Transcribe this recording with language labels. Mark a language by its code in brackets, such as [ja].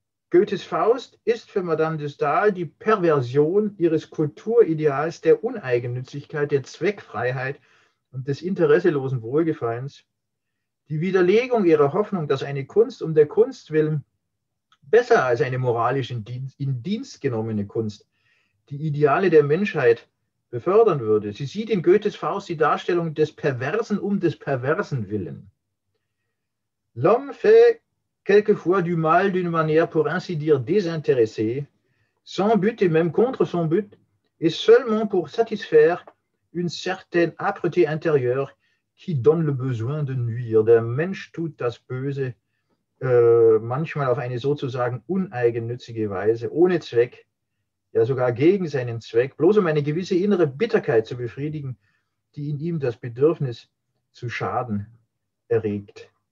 [de] Goethes Faust ist für Madame de Stael die Perversion ihres Kulturideals der Uneigennützigkeit, der Zweckfreiheit und des interesselosen Wohlgefallens, die Widerlegung ihrer Hoffnung, dass eine Kunst um der Kunst willen besser als eine moralisch in Dienst genommene Kunst die Ideale der Menschheit befördern würde. Sie sieht in Goethes Faust die Darstellung des Perversen um des Perversen willen. [fr] L'homme fait quelquefois du mal d'une manière pour ainsi dire désintéressée, sans but et même contre son but, et seulement pour satisfaire une certaine âpreté intérieure qui donne le besoin de nuire. [de] Der Mensch tut das Böse manchmal auf eine sozusagen uneigennützige Weise, ohne Zweck, ja sogar gegen seinen Zweck, bloß um eine gewisse innere Bitterkeit zu befriedigen, die in ihm das Bedürfnis zu schaden erregt.